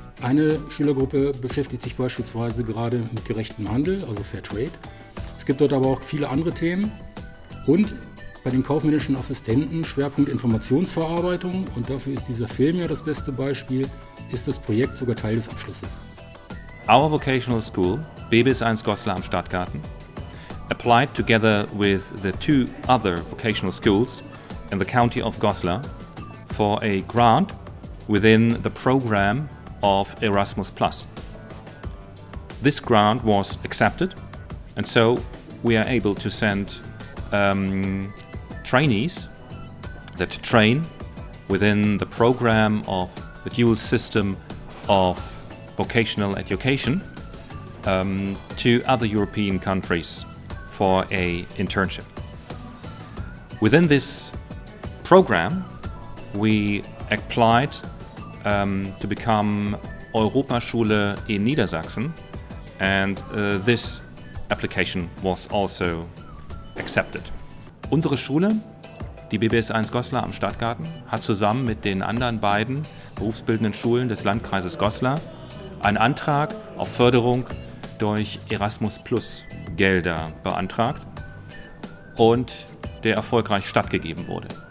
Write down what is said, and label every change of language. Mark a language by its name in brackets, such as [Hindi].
[German] Eine Schülergruppe beschäftigt sich beispielsweise gerade mit gerechtem Handel, also Fair Trade. Es gibt dort aber auch viele andere Themen und bei den kaufmännischen Assistenten Schwerpunkt Informationsverarbeitung und dafür ist dieser Film ja das beste Beispiel, ist das Projekt sogar Teil des Abschlusses. [English] Our Vocational School, BBS 1 Goslar am Stadtgarten, applied together with the two other vocational schools in the county of Goslar for a grant within the program of Erasmus+. This grant was accepted and so we are able to send trainees that train within the program of the dual system of vocational education to other European countries for a internship. Within this program, we applied to become Europaschule in Niedersachsen, and this application was also accepted. [German] Unsere Schule, die BBS 1 Goslar am Stadtgarten, hat zusammen mit den anderen beiden berufsbildenden Schulen des Landkreises Goslar einen Antrag auf Förderung durch Erasmus+-Gelder beantragt und der erfolgreich stattgegeben wurde.